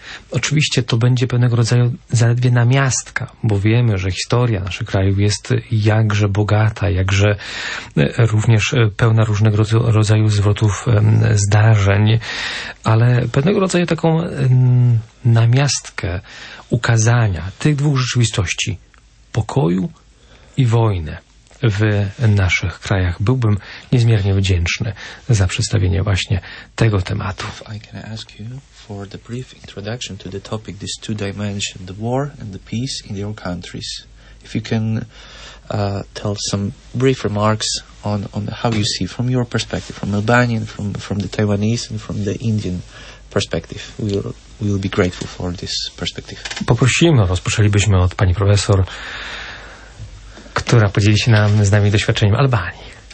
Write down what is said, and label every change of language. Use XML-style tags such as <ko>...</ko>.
<pl>Oczywiście to będzie pewnego rodzaju zaledwie namiastka, bo wiemy, że historia naszych krajów jest jakże bogata, jakże również pełna różnego rodzaju zwrotów zdarzeń, ale pewnego rodzaju taką namiastkę ukazania tych dwóch rzeczywistości, pokoju i wojny w naszych krajach. Byłbym niezmiernie wdzięczny za przedstawienie właśnie tego tematu.</pl> <en>For the brief introduction to the topic, these two dimensions, the war and the peace in your countries. If you can tell some brief remarks on how you see from your perspective, from Albanian, from the Taiwanese and from the Indian perspective. We'll be grateful for this perspective.</en> <pl>Poprosimy, rozpoczęlibyśmy od pani profesor, która podzieli się nam z nami doświadczeniem Albanii.</pl>